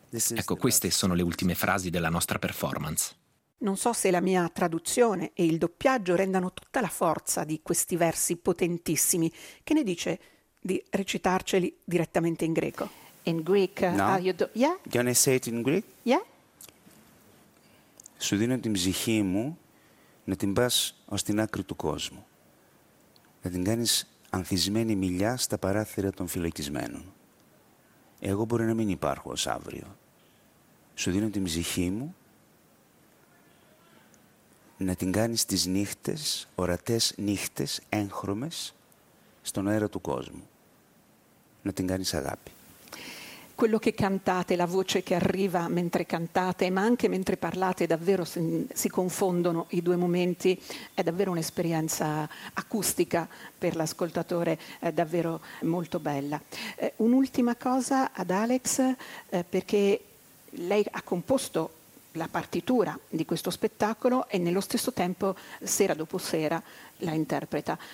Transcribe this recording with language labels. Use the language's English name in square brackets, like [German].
[Italian] Ecco, queste sono le ultime frasi della nostra performance. Non so se la mia traduzione e il doppiaggio rendano tutta la forza di questi versi potentissimi. Che ne dice di recitarceli direttamente in greco? [English] In Greek? No. Yeah? Can I say it in Greek? Yeah. [Greek] Σου δίνω την ψυχή μου να την πας ως την άκρη του κόσμου. Να την κάνεις ανθισμένη μιλιά στα παράθυρα των φυλακισμένων. Εγώ μπορεί να μην υπάρχω ως αύριο. Σου δίνω την ψυχή μου να την κάνεις τις νύχτες, ορατές νύχτες, έγχρωμες, στον αέρα του κόσμου. Να την κάνεις αγάπη. [Italian] Quello che cantate, la voce che arriva mentre cantate, ma anche mentre parlate, davvero si confondono i due momenti, è davvero un'esperienza acustica per l'ascoltatore, è davvero molto bella. Un'ultima cosa ad Alex, perché lei ha composto la partitura di questo spettacolo e nello stesso tempo, sera dopo sera, la interpreta.